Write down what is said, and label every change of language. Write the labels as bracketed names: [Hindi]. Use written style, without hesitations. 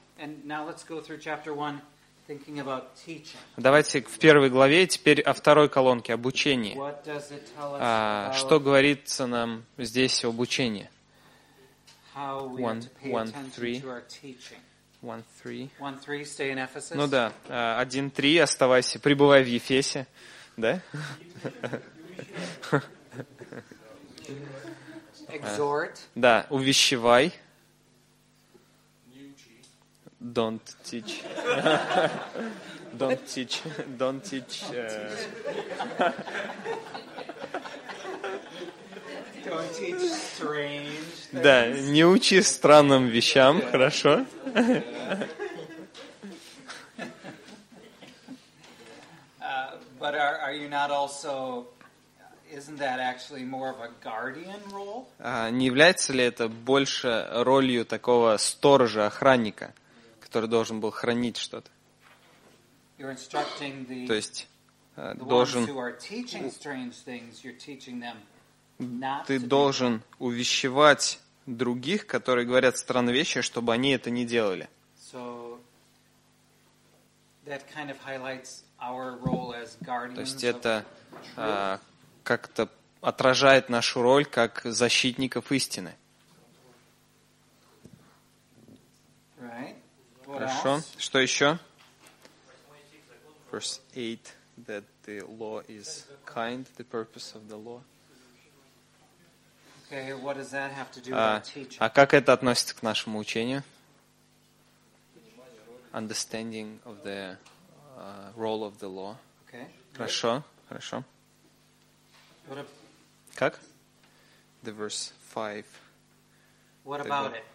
[English] And now let's go through chapter one, thinking about teaching. [Russian] Давайте в первой главе, теперь о второй колонке, обучении. [English] What does it tell us? [Russian] Что говорится нам здесь об учении? [English] How we one, to pay attention to our teaching. 1-3. Stay in Ephesus. [Russian] Ну да, 1-3, оставайся, пребывай в Ефесе, да? [English] Exhort. [Russian] Да, увещевай. [English] Don't teach. Don't teach. Don't teach. Don't teach strange things. [Russian] Да, не учи странным вещам, хорошо? [English] But are you not also, isn't that actually more of a guardian role? [Russian] Не является ли это больше ролью такого сторожа, охранника, который должен был хранить что-то? [English] You're instructing the, [Russian] то есть [English] the [Russian] должен... [English] ones who are teaching strange things, you're teaching them not [Russian] ты должен увещевать других, которые говорят странные вещи, чтобы они это не делали. [English] So, that kind of highlights our role as guardians. [Russian] То есть это как-то отражает нашу роль как защитников истины. [English] Right. [Russian] Хорошо. [English] Else? [Russian] Что еще? [English] Verse 8, that the law is kind, the purpose of the law. Okay, what does that have to do with teaching? [Russian] А как это относится к нашему учению? [English] Understanding of the role of the law. Okay. [Russian] Хорошо, хорошо. [English] What [Russian] как? [English] The verse 5. What about it?